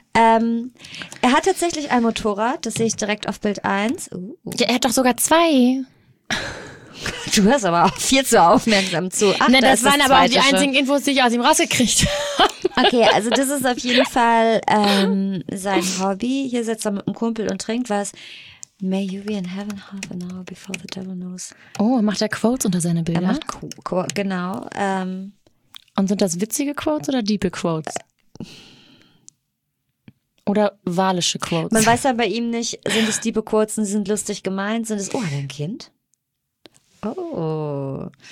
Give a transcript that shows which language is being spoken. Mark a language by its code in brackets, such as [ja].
[de] Er hat tatsächlich ein Motorrad, das sehe ich direkt auf Bild 1. Ja, er hat doch sogar zwei. Du hörst aber auch viel zu aufmerksam zu. Ach, nee, das waren aber auch die einzigen Infos, die ich aus ihm rausgekriegt habe. Okay, also das ist auf jeden Fall sein Hobby. Hier sitzt er mit einem Kumpel und trinkt was. [en] May you be in heaven half an hour before the devil knows. [de] Oh, macht er Quotes unter seine Bilder? Er macht Quotes, genau. Und sind das witzige Quotes oder deepe Quotes? Oder walische Quotes? Man weiß ja bei ihm nicht, sind es deepe Quotes und sind lustig gemeint? Sind es, oh, hat er ein Kind? Oh.